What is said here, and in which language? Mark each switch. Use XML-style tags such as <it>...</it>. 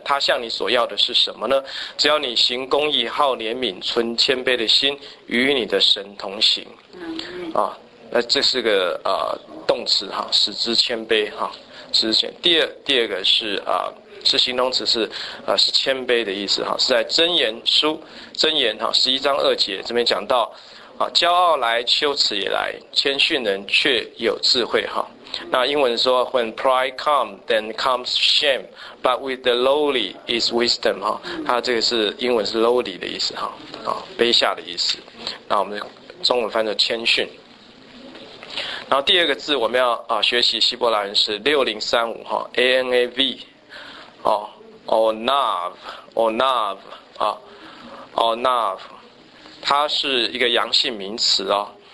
<zh>他向你所要的是什么呢？只要你行公义，好怜悯，存谦卑的心，与你的神同行那这是个动词使之谦卑使之谦。第二个是是形容词，是谦卑的意思是在箴言11:2这边讲到骄傲来，羞耻也来，谦逊人却有智慧。那英文说</zh> <en>When pride comes, then comes shame, but with the lowly is wisdom.</en> <zh>它这个是英文是 lowly 的意思，卑下的意思。那我们中文翻成谦逊。然后第二个字我们要学习希伯来人是6035 ANAV Onav Onav Onav， 它是一个阳性名词哦。</zh>